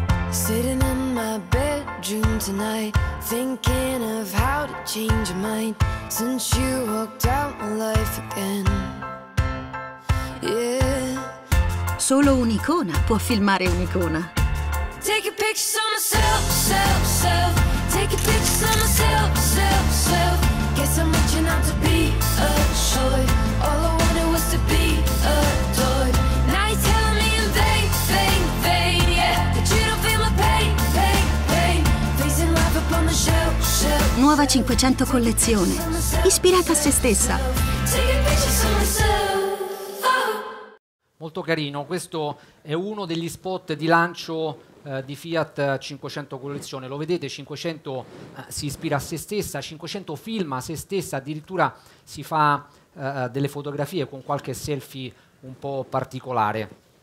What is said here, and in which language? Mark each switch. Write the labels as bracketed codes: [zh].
[en] Sitting in my bedroom tonight, thinking of how to change your mind since you walked out my life again. Yeah. [it] Solo un'icona può filmare un'icona. [en] Take a picture of myself, self, self. Take a picture of myself, self, self. Guess I'm reaching out to be a toy. All I wanted was to be a toy. Now you're telling me in vain, vain, vain, yeah. But you don't feel my pain, pain, pain. Facing life upon the shelf, shelf. [it] Nuova 500 collezione, ispirata a se stessa. [en] Take a picture of myself. [it] Molto carino, questo è uno degli spot di lancio di Fiat 500 collezione. Lo vedete, 500 si ispira a se stessa, 500 filma se stessa, addirittura si fa delle fotografie con qualche selfie un po' particolare.